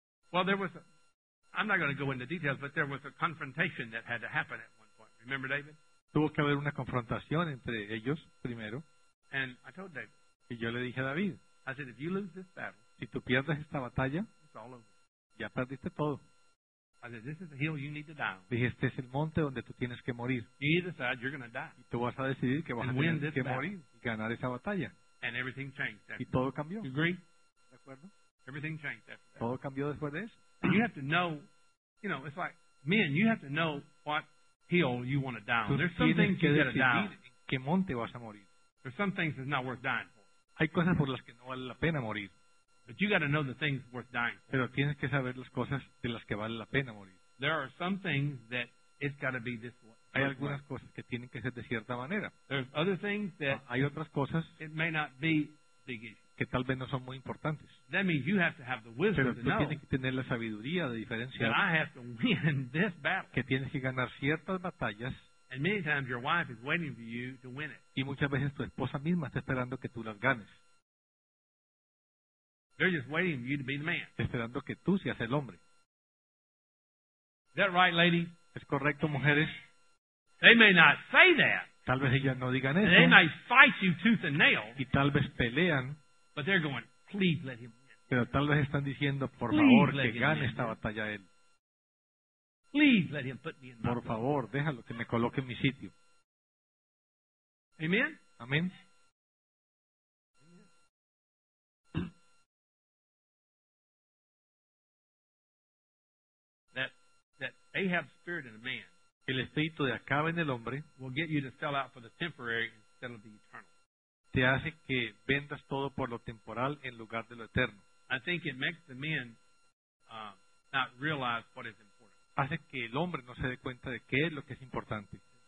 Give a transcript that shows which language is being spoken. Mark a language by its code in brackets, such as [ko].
[en] Well, I'm not gonna go into details, but there was a confrontation that had to happen at one point. Remember, David? [es] Tuvo que haber una confrontación entre ellos primero. [en] And I told David. [es] Y yo le dije a David. [en] I said, if you lose this battle, [es] si tú pierdes esta batalla, [en] it's all over. [es] Ya perdiste todo. [en] I said, this is the hill you need to die. [es] Dije, este es el monte donde tú tienes que morir. [en] You need to decide you're gonna die. [es] Y tú vas a decidir que vas [en] and [es] a tener [en] this [es] que [en] battle. [es] Morir. Ganar esa batalla. [en] And everything changed after [es] y todo cambió. [en] You agree? [es] ¿De acuerdo? [en] Everything changed after that. [es] Todo cambió después de eso. [en] And you have to know, you know, it's like men, you have to know what hill you want to die on. There's some things [es] que [en] you got to die on. [es] ¿Qué monte vas a morir? [en] There's some things that's not worth dying for. [es] Hay cosas por las que no vale la pena morir. [en] But you got to know the things worth dying for. [es] Pero tienes que saber las cosas de las que vale la pena morir. [en] There are some things that it's got to be this way. [es] Hay algunas cosas que tienen que ser de cierta manera. [en] There's other things that [es] hay otras cosas [en] it may not be big issues. [es] Que tal vez no son muy importantes. [en] That means you have to have the wisdom [es] pero [en] tú to know [es] tienes que tener la sabiduría de diferenciar [en] that I have to win this battle. [es] Que tienes que ganar ciertas batallas. [en] And many times your wife is waiting for you to win it. [es] Y muchas veces tu esposa misma está esperando que tú las ganes. [en] They're just waiting for you to be the man. [es] Esperando que tú seas el hombre. [en] Is that right, lady? [es] ¿Es correcto, mujeres? [en] They may not say that. [es] Tal vez ellas no digan eso. [en] They may fight you tooth and nail. [es] Y tal vez pelean. [en] But they're going, please let him win. [es] Pero tal vez están diciendo, por favor, que gane esta batalla él. [en] Please let him put me in my [es] por favor, déjalo que me coloque en mi sitio. [en] Amen. [es] Amen. [en] That Ahab spirit in a man. [es] El espíritu de Acab en el hombre. [en] Will get you to sell out for the temporary instead of the eternal. [es] Te hace que vendas todo por lo temporal en lugar de lo eterno. [en] I think it makes the men not realize what is important. [es] Hace que el hombre no se dé cuenta de qué es lo que es importante.